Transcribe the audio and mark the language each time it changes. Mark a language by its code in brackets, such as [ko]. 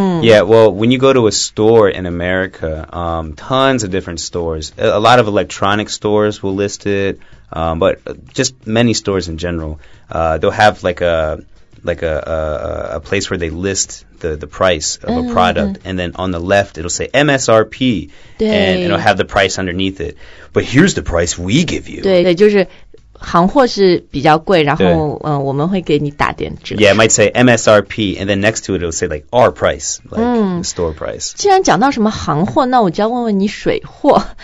[en] Yeah, well, when you go to a store in America, tons of different stores, a lot of electronic stores will list it,but just many stores in general, they'll have like a place where they list the price of a product. And then on the left, it'll say MSRP. And it'll have the price underneath it. But here's the price we give you. [zh] 对, 就是行货是比较贵然后我们会给你打点折。 [en] Yeah, it might say MSRP. And then next to it, it'll say like our price, like the store price. [zh] 既然讲到什么行货那我就要问问你水货。